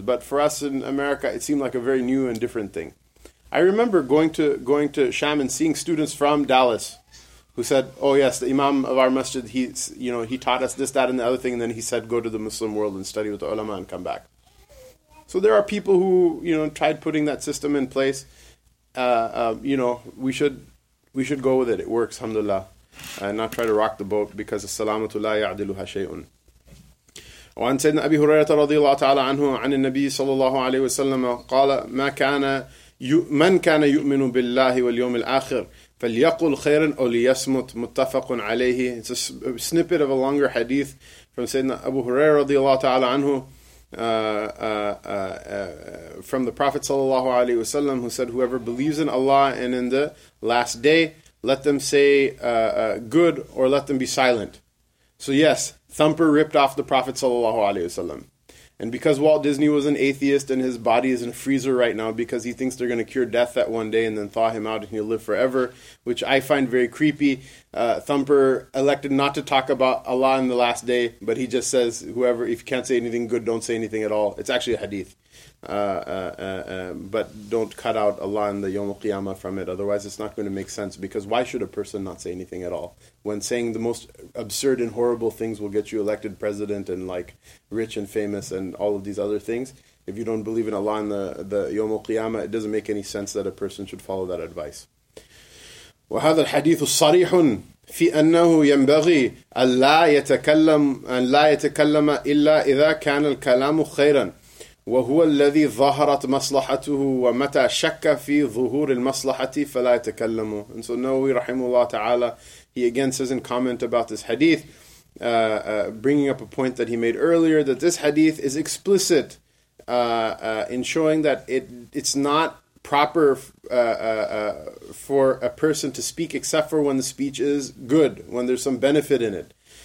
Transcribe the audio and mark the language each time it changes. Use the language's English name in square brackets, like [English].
[English] But for us in America, it seemed like a very new and different thing. I remember going to Sham and seeing students from Dallas who said, oh yes, the imam of our masjid, he's, you know, he taught us this, that, and the other thing, and then he said, go to the Muslim world and study with the ulama and come back. So there are people who, you know, tried putting that system in place. You know, we should go with it. It works, alhamdulillah. And not try to rock the boat, because [Arabic] as-salamatu la ya'diluha shay'un. وعن سيدنا أبي هريرة رضي الله تعالى عنه عن النبي صلى الله عليه وسلم قال ما كان من كان يؤمن بالله واليوم الآخر فَلْيَقُلْ خَيْرًا أَوْ لِيَسْمُتْ مُتَّفَقٌ عَلَيْهِ. [English] It's a snippet of a longer hadith from Sayyidina Abu Hurairah radiallahu ta'ala anhu, from the Prophet sallallahu alayhi wa sallam, who said, whoever believes in Allah and in the last day, let them say good, or let them be silent. So yes, thumper ripped off the Prophet sallallahu alayhi wa sallam. And because Walt Disney was an atheist and his body is in a freezer right now because he thinks they're going to cure death that one day and then thaw him out and he'll live forever, which I find very creepy, Thumper elected not to talk about Allah in the last day, but he just says, whoever, if you can't say anything good, don't say anything at all. It's actually a hadith. But don't cut out Allah and the Yawm al-Qiyamah from it, otherwise it's not going to make sense, because why should a person not say anything at all when saying the most absurd and horrible things will get you elected president and like rich and famous and all of these other things? If you don't believe in Allah and the Yawm al-Qiyamah, it doesn't make any sense that a person should follow that advice. [Arabic] وهذا الحديث صريح في أنه ينبغي أن لا يتكلم إلا إذا كان الكلام خيرا وهو الذي ظهرت مصلحته ومتى شك في ظهور المصلحة فلا يتكلم. [English] And so Nawawi rahimahullah ta'ala, he again says in comment about this hadith, bringing up a point that he made earlier, that this hadith is explicit in showing that it's not proper for a person to speak except for when the speech is good, when there's some benefit in it.